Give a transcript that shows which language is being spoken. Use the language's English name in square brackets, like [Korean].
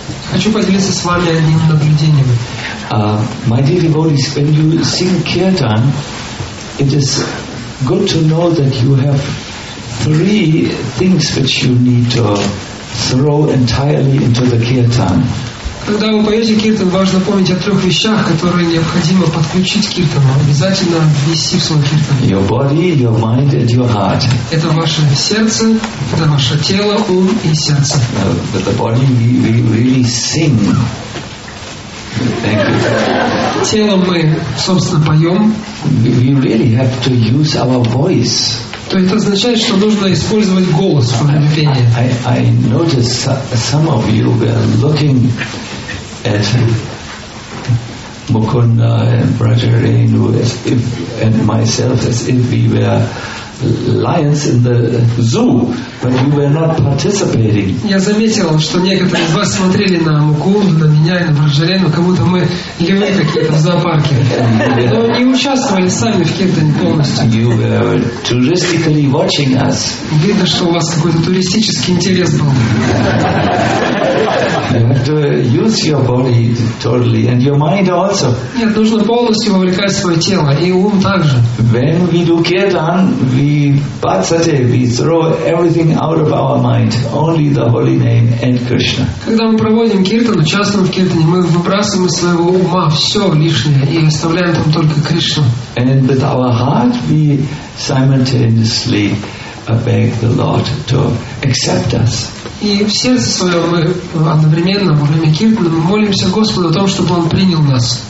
[Russian] Хочу поделиться с вами одним наблюдением. [English] My dear devotees, when you sing kirtan, it is good to know that you have three things which you need to throw entirely into the kirtan. [Russian] Когда вы поете киртан, важно помнить о трех вещах, которые необходимо подключить к киртану, обязательно ввести в свой киртан. [English] Your body, your mind, and your heart. [Russian] Это ваше сердце, это ваше тело, ум и сердце. [English] But the body, we really sing. Thank you. [Russian] Телом мы, собственно, поем. [English] We really have to use our voice. [Russian] То это означает, что нужно использовать голос в пении. [English] I noticed some of you were looking at Mukunda and Braja Renu and myself as if we were lions in the zoo, but you were not participating. [Russian] Я заметил, что некоторые из вас смотрели на Мукунду, на меня и на Браджа Рену, как будто мы львы какие-то в зоопарке. Но не участвовали сами в киртане полностью. [English] You were touristically watching us. [Russian] Видно, что у вас какой-то туристический интерес был. [English] You have to use your body totally and your mind also. [Russian] Нет, нужно полностью вовлекать свое тело и ум также. [English] When we do kirtan, we throw everything out of our mind, only the holy name and Krishna. [Russian] Когда мы проводим киртан, участвуем в киртане, мы выбрасываем из своего ума все лишнее и оставляем там только Кришну. [English] And with our heart, we simultaneously beg the Lord to accept us. [Russian] И в сердце своем мы одновременно во время киртана мы молимся Господу о том, чтобы Он принял нас.